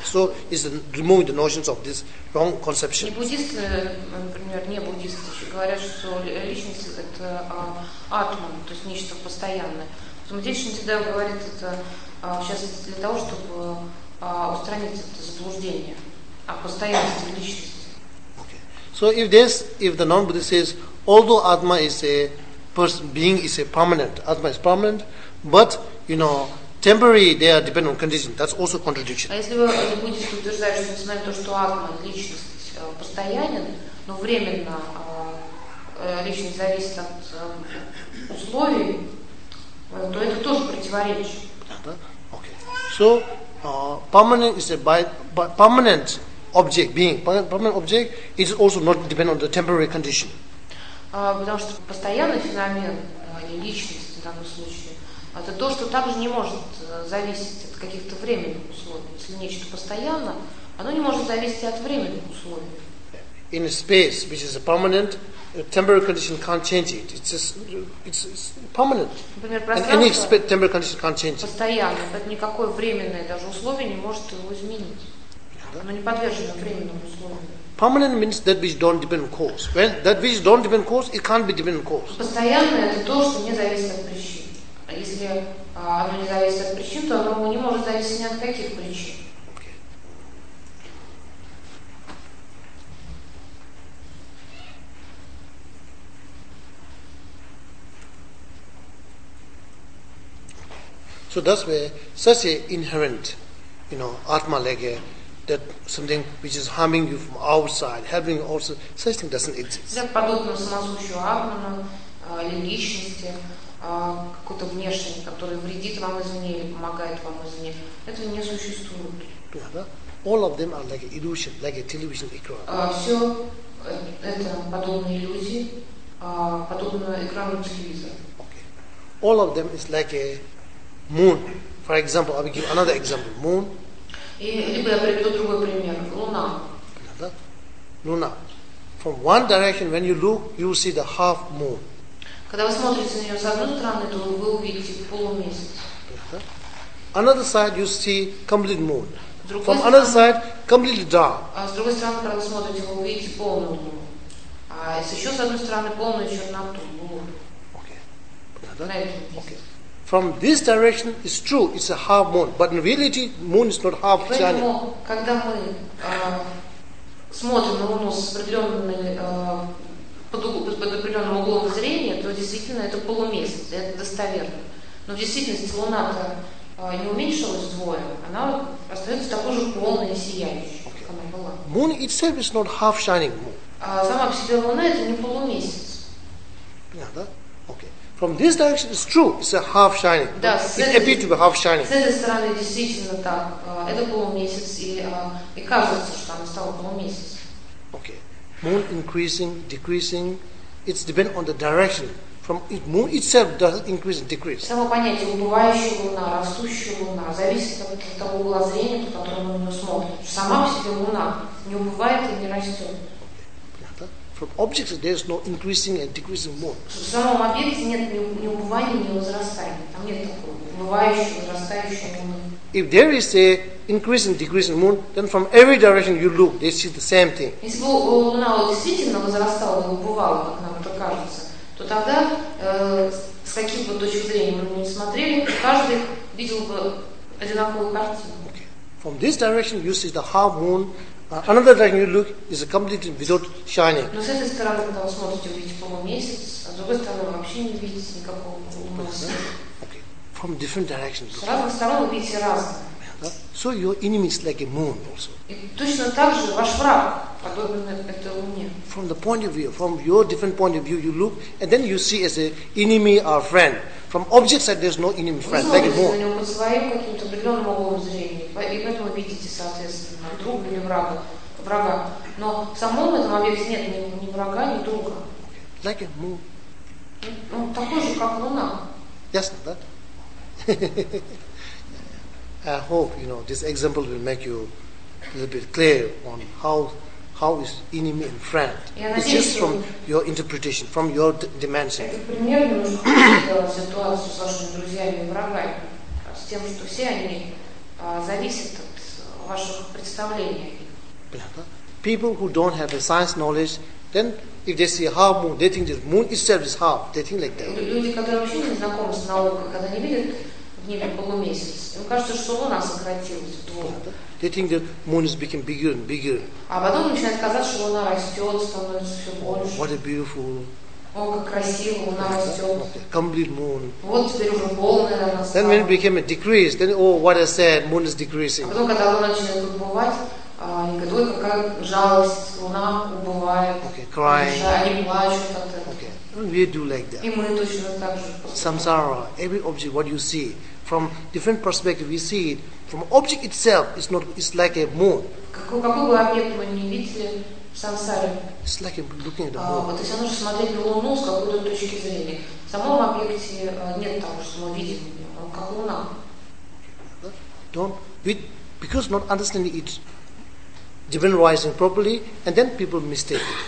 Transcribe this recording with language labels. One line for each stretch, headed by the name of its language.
English: So it's removing the notions of this wrong conception.
Russian: Не-буддисты, например, не-буддисты еще говорят, что личность это атман, то есть нечто постоянное. Поэтому здесь Шантидео говорит это сейчас для того, чтобы устранить это заблуждение о постоянности личности.
English: Okay. So if this, if the non-Buddhist says, although atma is a person, being is a permanent, atma is permanent, but you know, temporary they are dependent on condition. That's also contradiction.
Russian: А если вы будете утверждать, что знаете то, что атма личность постоянен, но временно личность зависит от условий, то это тоже противоречие. Да, okay.
English: So permanent is a by permanent object being permanent object is also not dependent on the temporary condition.
Russian: Потому что постоянный феномен или личность в данном случае это то, что также не может зависеть от каких-то временных условий. Если нечто постоянно, оно не может зависеть от временных условий.
English: In a space which is a permanent, a temporary condition can't change it. It's permanent.
Russian: Например,
English: any temporary condition can't change it.
Russian: Постоянно, поэтому никакое временное даже условие не может его изменить. Оно не подвержено временным условиям.
English: Permanent means that which don't depend on cause. When that which don't depend on cause, it can't be depend on cause.
Russian: Постоянное это то, что не зависит от причин. Если оно не зависит от причин, то оно не может зависеть ни от каких причин.
English: Okay. So that's where such a inherent, you know, atma like a that something which is harming you from outside, helping you also, such thing doesn't exist.
Russian: Так подобно самосущую атману, или личности, какой-то внешний, который вредит вам извне или помогает вам извне, этого не существует.
English: Yeah, that, all of them are like an illusion, like a television ecran.
Russian: Все это подобно иллюзии, подобно экрану телевизора.
English: Okay. All of them is like a moon. For example, I will give another example. Moon.
Russian: Либо я приведу другой пример. Луна. Луна.
English: From one direction, when you look, you see the half moon.
Russian: Когда вы смотрите на нее с одной стороны, то вы увидите полумесяц.
English: Another side, you see complete moon. From
Russian: стороны,
English: another side, completely dark.
Russian: А с другой стороны, когда вы смотрите, вы увидите полную луну. А еще с одной стороны полную черноту.
English: Okay.
Russian: На этом.
English: Okay. From this direction, it's true, it's a half moon. But in reality, moon is not half planet.
Russian: Поэтому, когда мы смотрим на Луну с определенным углом зрения, то действительно это полумесяц, это достоверно. Но в действительности Луна-то не уменьшилась вдвое, она остается такой же полной и сияющей, как она была.
English: Moon itself is not half shining moon.
Russian: Сама по себе Луна это не полумесяц.
English: Yeah, that? Okay. From this direction, it's true. It's a half shining.
Russian: Да,
English: it appears to be half shining.
Russian: С этой стороны действительно так. Это полумесяц, и кажется, что она стала полумесяц.
English: Okay. Moon increasing, decreasing. It's depend on the direction. From it, moon itself does increase and decrease.
Russian: Само понятие убывающая луна, растущая луна зависит от того угла зрения, по которому мы смотрим. Сама по себе луна не убывает и не растет.
English: From objects there is no increasing and decreasing moon.
Russian: В самом объекте нет ни убывания, ни возрастания. Там нет такого убывающего, возрастающего луны.
English: If there is a increasing, decreasing moon, then from every direction you look, they see the same thing.
Russian: Если бы луна действительно возрастала и убывала, как нам это кажется, то тогда с каких бы точек зрения мы не смотрели, каждый видел бы одинаковую картину.
English: Okay. From this direction you see the half moon. Another direction you look is a complete without shining.
Russian: Но с этой стороны, когда вы смотрите, увидите полумесяц, а с другой стороны вы вообще не видите никакого полумесяца.
English: Okay. From different directions.
Russian: С разных сторон вы видите разное.
English: So your enemy is like a moon also.
Russian: Точно так же ваш враг подобен этой луне.
English: From the point of view, from your different point of view, you look and then you see as an enemy or friend. From objects that there's no enemy friend, like a moon.
Russian: Вы смотрите на него по своим каким-то определенным углом зрения, и поэтому видите, соответственно, друга или врага. Врага. Но в самом этом объекте нет ни врага, ни друга. Like a moon. Ну, такой же, как луна. Ясно, да?
English: I hope you know this example will make you a little bit clear on how is enemy and friend. It's just from your interpretation, from your dimension.
Russian: Это пример немножко ситуацию с вашими друзьями и врагами, с тем, что все они зависят от ваших представлений.
English: People who don't have a science knowledge, then if they see half moon, they think the moon itself is half. They think like that.
Russian: Люди, которые вообще не знакомы с наукой, когда не видят
English: They think the moon is becoming bigger and bigger.
Russian: А потом начинает казаться, что луна растет, становится все больше.
English: What a beautiful.
Russian: О, как красиво, луна растет.
English: Complete moon.
Russian: Вот теперь уже полная луна.
English: Then when it became a decrease, then oh, what I said, moon is decreasing.
Russian: А потом, когда луна начинает убывать, они говорят, ой, какая жалость, луна убывает.
English: Okay, crying.
Russian: Они плачут от этого.
English: Okay. We do like that. Samsara, every object, what you see, from different perspective, we see it. From object itself, it's not. It's like a moon.
Russian: Какой бы объект мы ни видели, самсара.
English: It's like looking at the moon.
Russian: То есть нужно смотреть на луну с какой-то точки зрения. В самом объекте нет того, что мы видим. Он как луна.
English: Don't with because not understanding it. Different rising properly, and then people mistake.